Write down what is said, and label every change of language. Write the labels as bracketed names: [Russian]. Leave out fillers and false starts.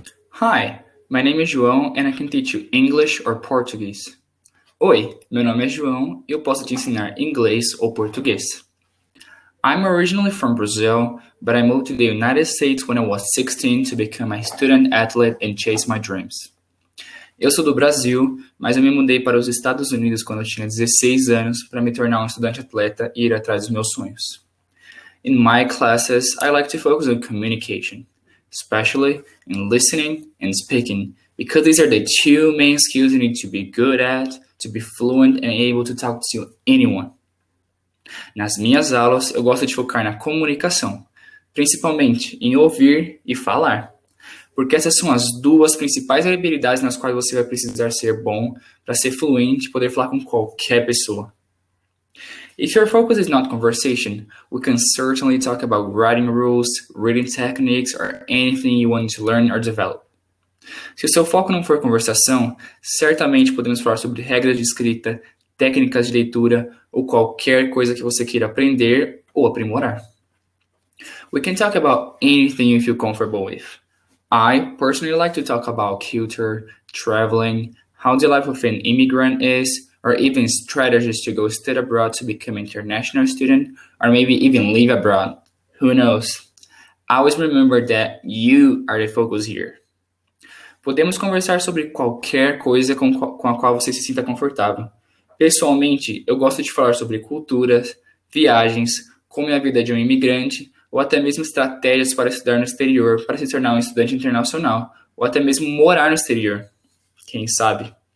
[English] Hi, my name is João and I can teach you English or Portuguese. [Portuguese] Oi, meu nome é João e eu posso te ensinar inglês ou português. [English] I'm originally from Brazil, but I moved to the United States when I was 16 to become a student athlete and chase my dreams. [Portuguese] Eu sou do Brasil, mas eu me mudei para os Estados Unidos quando eu tinha 16 anos para me tornar um estudante atleta e ir atrás dos meus sonhos. [English] In my classes, I like to focus on communication, especially in listening and speaking, because these are the two main skills you need to be good at, to be fluent and able to talk to anyone. [Portuguese] Nas minhas aulas, eu gosto de focar na comunicação, principalmente em ouvir e falar, porque essas são as duas principais habilidades nas quais você vai precisar ser bom para ser fluente e poder falar com qualquer pessoa. [English] If your focus is not conversation, we can certainly talk about writing rules, reading techniques, or anything you want to learn or develop. [Portuguese] Se o seu foco não for conversação, certamente podemos falar sobre regras de escrita, técnicas de leitura, ou qualquer coisa que você queira aprender ou aprimorar. [English] We can talk about anything you feel comfortable with. I personally like to talk about culture, traveling, how the life of an immigrant is, or even strategies to go study abroad to become an international student, or maybe even live abroad. Who knows? Always remember that you are the focus here. [Portuguese] Podemos conversar sobre qualquer coisa com a qual você se sinta confortável. Pessoalmente, eu gosto de falar sobre culturas, viagens, como é a vida de um imigrante, ou até mesmo estratégias para estudar no exterior, para se tornar um estudante internacional, ou até mesmo morar no exterior. Quem sabe?